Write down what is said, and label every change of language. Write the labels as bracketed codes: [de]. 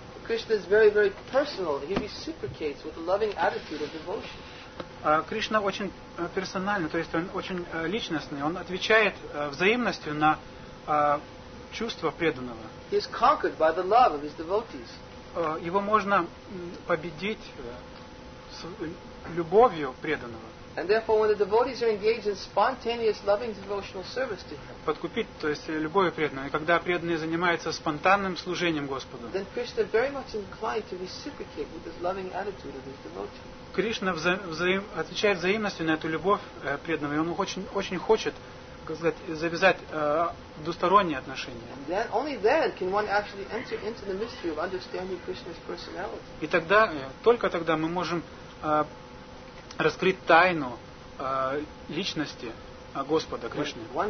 [ru] Кришна очень персональный, то есть он очень личностный, он отвечает взаимностью на чувство преданного. Его можно победить с любовью преданного. [en] And therefore, when the devotees are engaged in spontaneous loving devotional service to him, [ru] подкупить, то есть любовью преданного, когда преданный занимается спонтанным служением Господу, [en] then Krishna is very much inclined to reciprocate with his loving attitude of his devotee. [ru] Кришна отвечает взаимностью на эту любовь преданного, и он очень, очень хочет, как сказать, завязать двусторонние отношения. [en] And then, only then can one actually enter into the mystery of understanding Krishna's personality. [ru] И тогда, только тогда мы можем раскрыть тайну личности Господа Кришны.